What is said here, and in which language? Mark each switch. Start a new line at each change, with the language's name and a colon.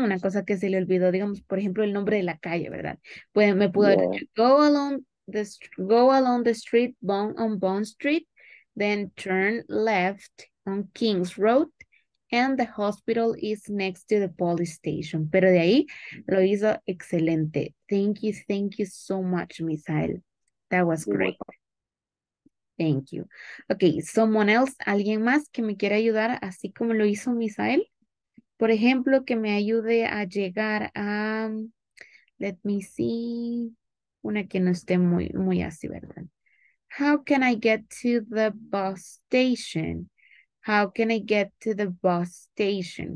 Spanish: Una cosa que se le olvidó, digamos, por ejemplo, el nombre de la calle, ¿verdad? Puede, me pudo
English: Yeah. decir, go along the street, Bond on Bond Street, then turn left on King's Road. And the hospital is next to the police station.
Spanish: Pero de ahí lo hizo excelente.
English: Thank you so much, Misael. That was great. Thank you.
Spanish: Okay,
English: someone else,
Spanish: alguien más que me quiera ayudar así como lo hizo Misael. Por ejemplo, que me ayude a llegar a,
English: let me see,
Spanish: una que no esté muy, muy así, ¿verdad?
English: How can I get to the bus station? How can I get to the bus station?